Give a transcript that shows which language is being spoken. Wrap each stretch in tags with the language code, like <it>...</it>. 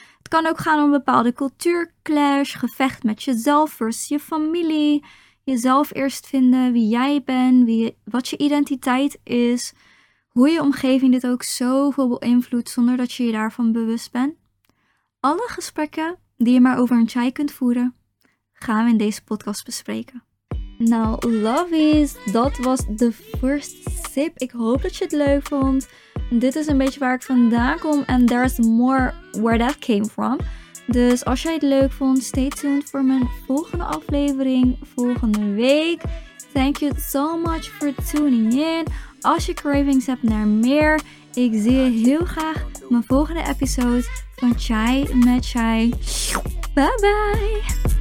<nl>Het kan ook gaan om een bepaalde cultuurclash, gevecht met jezelf versus je familie, jezelf eerst vinden, wie jij bent, wat je identiteit is. Hoe je omgeving dit ook zoveel beïnvloedt zonder dat je je daarvan bewust bent. Alle gesprekken die je maar over een chai kunt voeren, gaan we in deze podcast bespreken. Nou, lovies, dat was de</nl> <en>first sip.</en> <nl>Ik hoop dat je het leuk vond. Dit is een beetje waar ik vandaan kom.</nl> <en>And there's more where that came from.</en> <nl>Dus als jij het leuk vond,</nl> <en>stay tuned</en> <nl>voor mijn volgende aflevering volgende week.</nl> <en>Thank you so much for tuning in.</en> <nl>Als je cravings hebt naar meer, ik zie je heel graag mijn volgende episode van Chai met Chai. Bye bye!</nl>